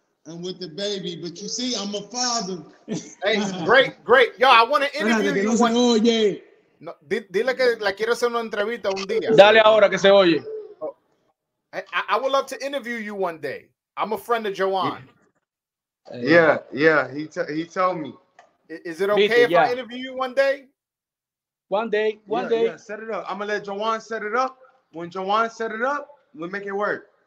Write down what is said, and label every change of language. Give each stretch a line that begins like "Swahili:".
English: I'm with the baby, but you see, I'm a father. Hey, great. Yo, I want to interview
Spanish: que
English: you.
Spanish: No se oye. No, dile que la quiero hacer una entrevista un día. Dale ahora que se oye.
English: Oh. I would love to interview you one day. I'm a friend of Joan. Yeah. Yeah. He told me. Is it okay if I interview you one day? One day. Yeah, set it up. I'm going to let Jawan set it up. When Jawan set it up, we make it work.